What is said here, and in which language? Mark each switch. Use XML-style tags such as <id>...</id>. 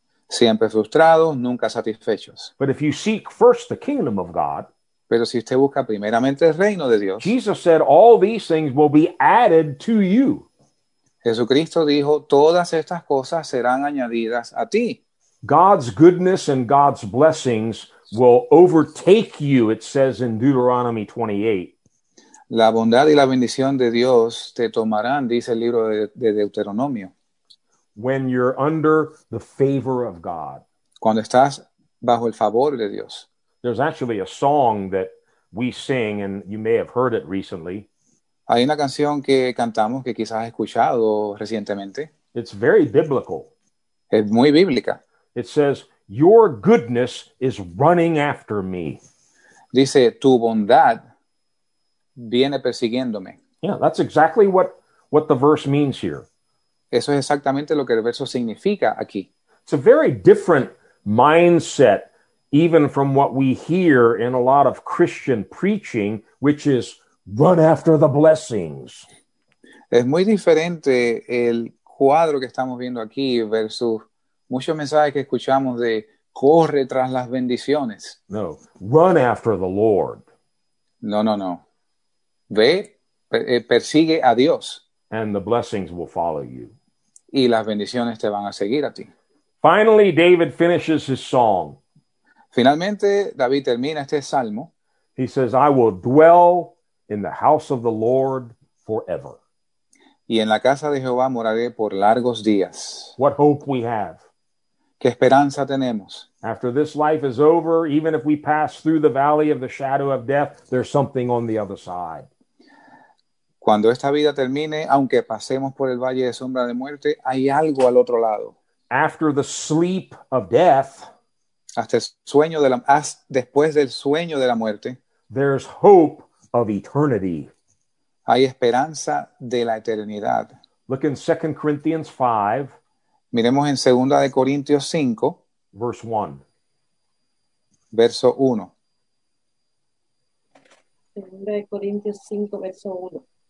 <es>Siempre frustrados, nunca satisfechos.</es> <en>But if you seek first the kingdom of God,</en> <es>pero si usted busca primeramente el reino de Dios,</es> <en>Jesus said all these things will be added to you.</en> <es>Jesucristo dijo, todas estas cosas serán añadidas a ti.</es> <en>God's goodness and God's blessings will overtake you, it says in Deuteronomy 28.</en> <es>La bondad y la bendición de Dios te tomarán, dice el libro de Deuteronomio.</es> <en>When you're under the favor of God.</en> <es>Cuando estás bajo el favor de Dios.</es> <en>There's actually a song that we sing, and you may have heard it recently.</en> <es>Hay una canción que cantamos que quizás has escuchado recientemente.</es> <en>It's very biblical.</en> <es>Es muy bíblica.</es> <en>It says, your goodness is running after me.</en> <es>Dice, tu bondad viene persiguiéndome.</es> <en>Yeah, that's exactly what the verse means here.</en> <es>Eso es exactamente lo que el verso significa aquí.</es> <en>It's a very different mindset, even from what we hear in a lot of Christian preaching, which is run after the blessings.</en> <es>Es muy diferente el cuadro que estamos viendo aquí versus muchos mensajes que escuchamos de corre tras las bendiciones.</es> <en>No, run after the Lord.</en> <es>No, no, no. Ve, persigue a Dios.</es> <en>And the blessings will follow you.</en> <es>Y las bendiciones te van a seguir a ti.</es> <en>Finally, David finishes his song.</en> <es>Finalmente, David termina este salmo.</es> <en>He says, I will dwell in the house of the Lord forever.</en> <es>Y en la casa de Jehová moraré por largos días.</es> <en>What hope we have.</en> <es>¿Qué esperanza tenemos?</es> <en>After this life is over, even if we pass through the valley of the shadow of death, there's something on the other side.</en> <es>Cuando esta vida termine, aunque pasemos por el valle de sombra de muerte, hay algo al otro lado.</es> <en>After the sleep of death,</en> <es>hasta el sueño de la, después del sueño de la muerte,</es> <en>there's hope of eternity.</en> <es>Hay esperanza de la eternidad.</es> <en>Look in 2 Corinthians 5.</en> <es>Miremos en 2 de Corintios 5.</es> <en>Verse 1.</en> <es>Verso 1. 2 Corintios 5, verso 1.</es>